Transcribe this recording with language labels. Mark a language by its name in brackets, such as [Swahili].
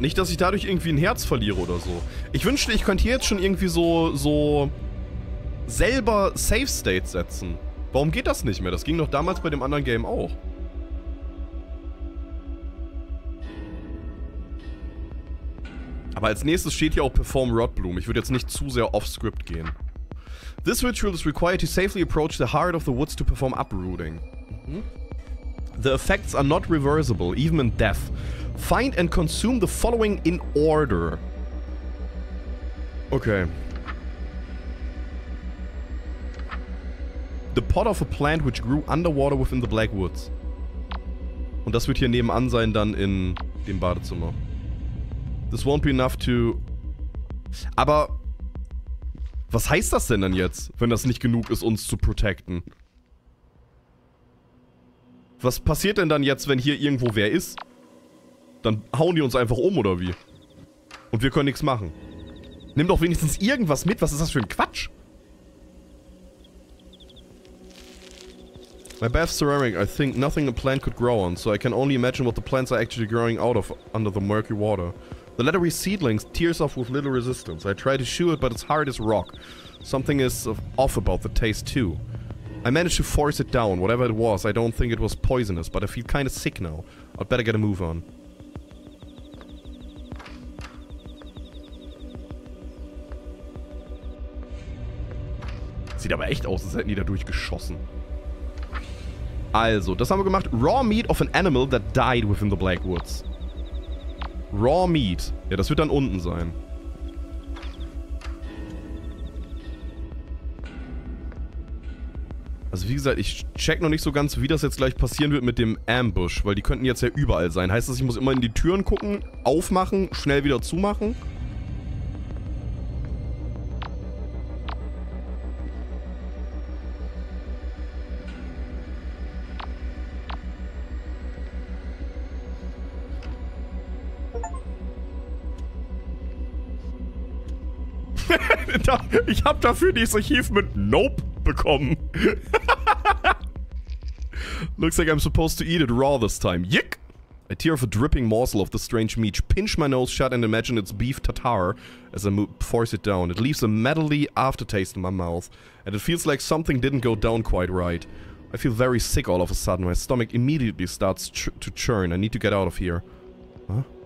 [German] Nicht, dass ich dadurch irgendwie ein Herz verliere oder so. Ich wünschte, ich könnte hier jetzt schon irgendwie so selber Safe State setzen. Warum geht das nicht mehr? Das ging doch damals bei dem anderen Game auch. Aber als nächstes steht hier auch Perform Rotbloom. Ich würde jetzt nicht zu sehr off-script gehen. [English] This ritual is required to safely approach the heart of the woods to perform uprooting. The effects are not reversible, even in death. Find and consume the following in order. Okay. The pot of a plant which grew underwater within the Black Woods. [German] Und das wird hier nebenan sein, dann in dem Badezimmer. [English] This won't be enough to... [German] Aber... Was heißt das denn dann jetzt, wenn das nicht genug ist, uns zu protecten? Was passiert denn dann jetzt, wenn hier irgendwo wer ist? Dann hauen die uns einfach um, oder wie? Und wir können nichts machen. Nimm doch wenigstens irgendwas mit. Was ist das für ein Quatsch? [English] My bath ceramic, I think nothing a plant could grow on, so I can only imagine what the plants are actually growing out of under the murky water. The leathery seedlings tears off with little resistance. I try to chew it, but it's hard as rock. Something is off about the taste too. I managed to force it down. Whatever it was, I don't think it was poisonous, but I feel kind of sick now. I'd better get a move on. [German] Sieht aber echt aus, als hätten die da durchgeschossen. Also, das haben wir gemacht. [English] Raw meat of an animal that died within the Black Woods. Raw meat. [German] Ja, das wird dann unten sein. Also wie gesagt, ich check noch nicht so ganz, wie das jetzt gleich passieren wird mit dem Ambush, weil die könnten jetzt ja überall sein. Heißt das, ich muss immer in die Türen gucken, aufmachen, schnell wieder zumachen? Ich habe dafür dieses Archiv mit Nope bekommen. [English] Looks like I'm supposed to eat it raw this time. Yick! I tear off a dripping morsel of the strange meat, pinch my nose shut and imagine it's beef tartare as I force it down. It leaves a metally aftertaste in my mouth and it feels like something didn't go down quite right. I feel very sick all of a sudden. My stomach immediately starts to churn. I need to get out of here. Huh?